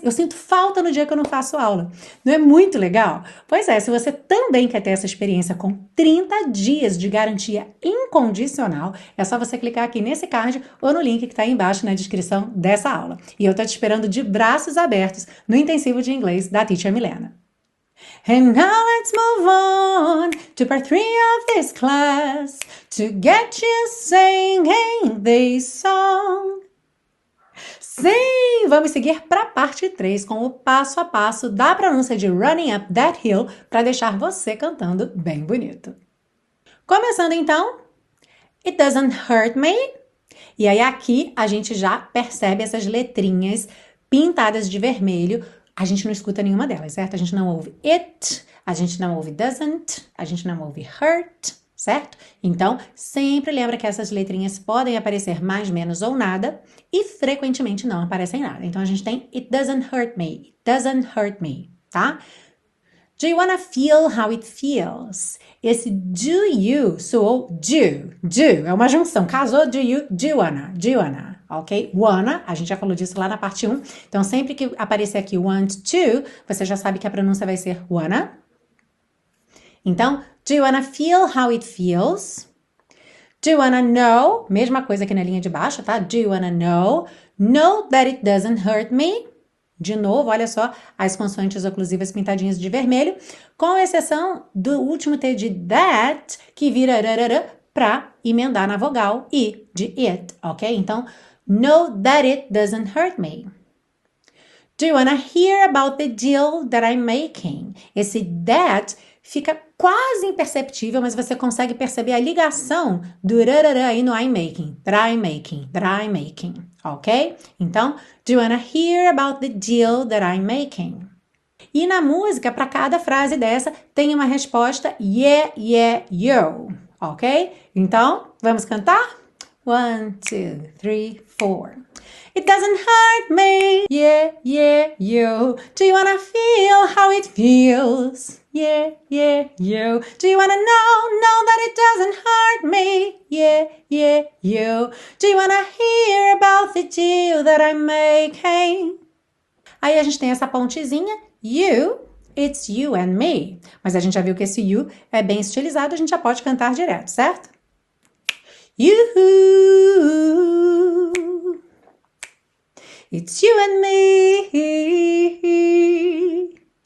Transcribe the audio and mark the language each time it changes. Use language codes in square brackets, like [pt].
[pt] Eu sinto falta no dia que eu não faço aula. Não é muito legal? Pois é, se você também quer ter essa experiência com 30 dias de garantia incondicional, é só você clicar aqui nesse card ou no link que está aí embaixo na descrição dessa aula. E eu estou te esperando de braços abertos no intensivo de inglês da Teacher Milena. [en] And now let's move on to part three of this class to get you singing this song. [pt] Sim, vamos seguir para a parte 3 com o passo a passo da pronúncia de Running Up That Hill para deixar você cantando bem bonito. Começando então, [en] It doesn't hurt me. [pt] E aí aqui a gente já percebe essas letrinhas pintadas de vermelho, a gente não escuta nenhuma delas, certo? A gente não ouve it, a gente não ouve doesn't, a gente não ouve hurt, certo? Então, sempre lembra que essas letrinhas podem aparecer mais, menos ou nada e frequentemente não aparecem nada. Então, a gente tem [en] it doesn't hurt me, it doesn't hurt me, tá? Do you wanna feel how it feels? [pt] Esse do you soou do, é uma junção, casou [en] do you wanna. [pt] Ok? Wanna, a gente já falou disso lá na parte 1. Então, sempre que aparecer aqui want to, você já sabe que a pronúncia vai ser wanna. [en] Então, do you wanna feel how it feels? Do you wanna know? [pt] Mesma coisa aqui na linha de baixo, tá? [en] Do you wanna know? Know that it doesn't hurt me? [pt] De novo, olha só as consoantes oclusivas pintadinhas de vermelho, com exceção do último T de that, que vira rarara, pra emendar na vogal I de it, ok? [en] Então, know that it doesn't hurt me. Do you wanna hear about the deal that I'm making? [pt] Esse that fica quase imperceptível, mas você consegue perceber a ligação do rarara aí no [en] I'm making. Dry making, ok? Então, do you wanna hear about the deal that I'm making? [pt] E na música, para cada frase dessa, tem uma resposta [en] yeah, yo, [pt] ok? Então, vamos cantar? [en] One, two, three, four. It doesn't hurt me. Yeah, you. Do you wanna feel how it feels? Yeah, you. Do you wanna know that it doesn't hurt me? Yeah, you. Do you wanna hear about the deal that I'm making? [pt] Aí a gente tem essa pontezinha. [en] You, it's you and me. [pt] Mas a gente já viu que esse you é bem estilizado, a gente já pode cantar direto, certo? [en] Yoo-hoo. It's you and me.